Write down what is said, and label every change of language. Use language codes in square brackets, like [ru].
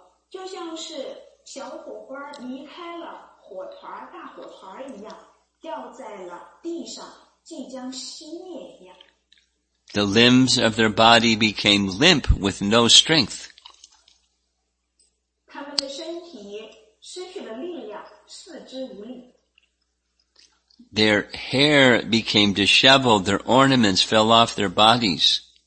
[zh] 就像是小火花离开了火团，大火团一样，掉在了地上，即将熄灭一样。 [en] The limbs of their body became limp with no strength. [zh] 他们的身体失去了力量，四肢无力。 [en] Their hair became disheveled, their ornaments fell off their bodies.